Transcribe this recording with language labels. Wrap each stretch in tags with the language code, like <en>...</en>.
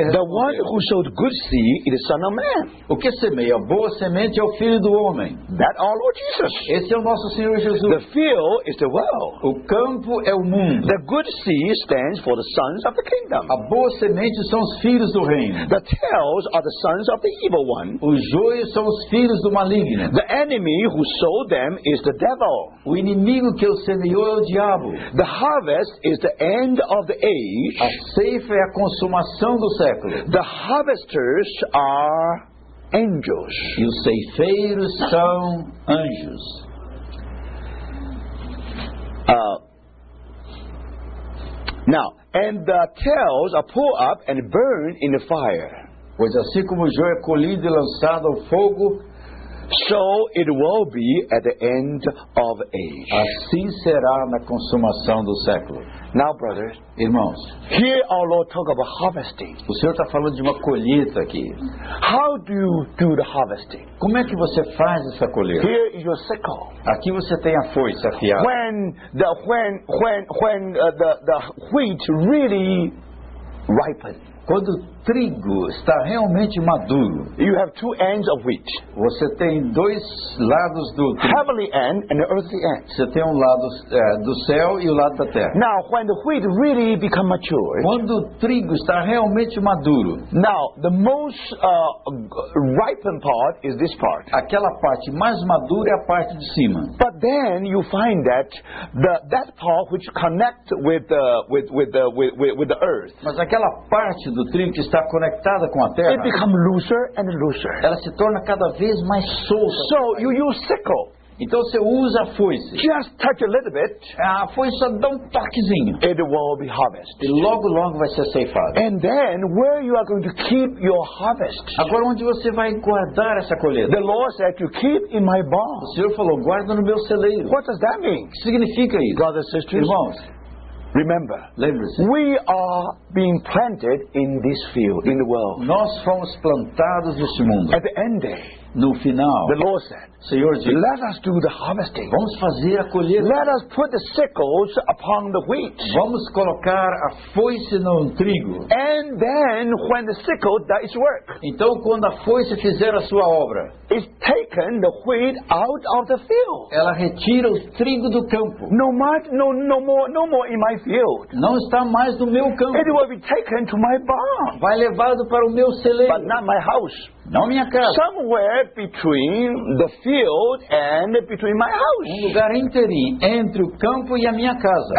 <en>the one who sowed good seed is the Son of Man.</en> <pt>O que semeia boa semente é o Filho do Homem.</pt> <en>That our Lord Jesus.</en> <pt>Esse é o nosso Senhor Jesus.</pt> <en>The field is the world.</en> <pt>O campo é o mundo.</pt> <en>The good seed stands for the sons of the kingdom.</en> <pt>A boa semente são os filhos do reino.</pt> <en>The tares are the sons of the evil one.</en> <pt>Os joios são os filhos do maligno.</pt> <en>The enemy who sowed them is the devil.</en> <pt>O inimigo que o semeou é o diabo.</pt> <en>The harvest is the end of the age.</en> <pt>A ceifa é a consumação do século.</pt> <en>The harvesters are angels.</en> <pt>E os ceifeiros são anjos.</pt> <en>Now, and the tares are pulled up and burned in the fire.</en> <pt>Pois assim como o joio é colhido e lançado ao fogo,</pt> <en>so it will be at the end of age.</en> <pt>Assim será na consumação do século.</pt> <en>Now, brothers,</en> <pt>irmãos,</pt> <en>here our Lord talk about harvesting.</en> <pt>O Senhor está falando de uma colheita aqui.</pt> <en>How do you do the harvesting?</en> <pt>Como é que você faz essa colheita?</pt> <en>Here is your sickle.</en> <pt>Aqui você tem a foice afiada.</pt> <en>When the wheat really ripens.</en> <pt>Quando o trigo está realmente maduro.</pt> <en>You have two ends of wheat.</en> <pt>Você tem dois lados do trigo.</pt> <en>Heavenly end and the earthly end.</en> <pt>Você tem um lado do céu e o lado da terra.</pt> <en>Now, when the wheat really become mature.</en> <pt>Quando o trigo está realmente maduro.</pt> <en>Now, the most ripened part is this part.</en> <pt>Aquela parte mais madura é a parte de cima.</pt> <en>But then you find that that part which connects with the earth.</en> <pt>Mas aquela parte do trigo que está conectada com a terra.</pt> <en>It become looser and looser.</en> <pt>Ela se torna cada vez mais solta.</pt> <en>So you use sickle.</en> <pt>Então você usa a foice.</pt> <en>Just touch a little bit.</en> <pt>A foice só dá um toquezinho.</pt> <en>It will be harvested.</en> <pt>E logo logo vai ser ceifado.</pt> <en>And then where you are going to keep your harvest?</en> <pt>Agora onde você vai guardar essa colheita?</pt> <en>The Lord said to keep in my barn.</en> <pt>O Senhor falou guarda no meu celeiro.</pt> <en>What does that mean?</en> <pt>Que significa isso?</pt> <en>Brothers, sisters,</en> <pt>irmãos.</pt> <en>Remember, we are being planted in this field, in the world.</en> <pt>Nós fomos plantados neste mundo.</pt> <en>At the end day,</en> <pt>no final,</pt> <en>the Lord said,</en> <pt>Senhor Jesus,</pt> <en>let us do the harvesting.</en> <pt>Vamos fazer a colheita.</pt> <en>Let us put the sickles upon the wheat.</en> <pt>Vamos colocar a foice no trigo.</pt> <en>And then when the sickle does its work.</en> <pt>Então quando a foice fizer a sua obra.</pt> <en>It's taken the wheat out of the field.</en> <pt>Ela retira o trigo do campo.</pt> <en>No more in my field.</en> <pt>Não está mais no meu campo.</pt> <en>It will be taken to my barn.</en> <pt>Vai levado para o meu celeiro.</pt> <en>But not my house.</en> <pt>Não minha casa.</pt> <en>Somewhere between the field and between my house.</en> <pt>Um lugar inteiro entre o campo e a minha casa.</pt>